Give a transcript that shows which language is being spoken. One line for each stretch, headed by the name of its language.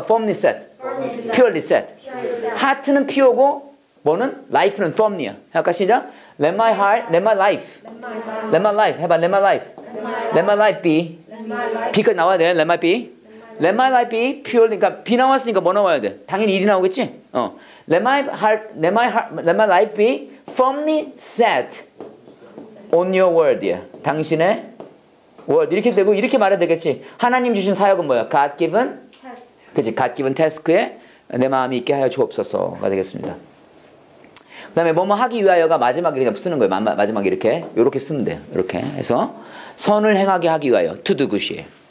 English: firmly set, purely set. heart는 pure고 뭐는 life는 firmly야.
Korean: 아까 시작.
English: let my heart, let my life, let my life.
Korean: 해봐.
English: let my life, let my life be. be까지 나와야 돼. let my be, let my life be purely.
Korean: 그러니까 be 나왔으니까 뭐 나와야 돼? 당연히 이 나오겠지.
English: let my life be firmly set on your word야.
Korean: 당신의 word 이렇게 되고 이렇게 말해야 되겠지. 하나님 주신 사역은 뭐야?
English: God given task.
Korean: 그치? God given task에 내 마음이 있게 하여 주옵소서가 되겠습니다. 그 다음에 뭐뭐 하기 위하여가 마지막에 그냥 쓰는 거예요. 마지막에 이렇게 쓰면 돼요. 이렇게 해서 선을 행하게 하기 위하여
English: to do good
Korean: 이에요.